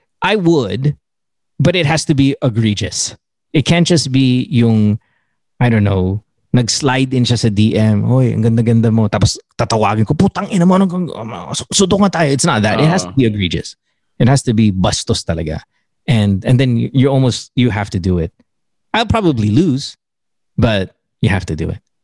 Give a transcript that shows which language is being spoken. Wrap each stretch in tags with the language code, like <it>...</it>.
<en>I would, but it has to be egregious. It can't just be</en> <tl>yung, I don't know, nag-slide in siya sa DM, oy, ang ganda-ganda mo, tapos tatawagin ko, putang ina mo, sudo nga tayo.</tl> <en>It's not that. It has to be egregious. It has to be</en> <tl>bastos talaga.</tl> <en>And then you have to do it. I'll probably lose, but you have to do it.</en>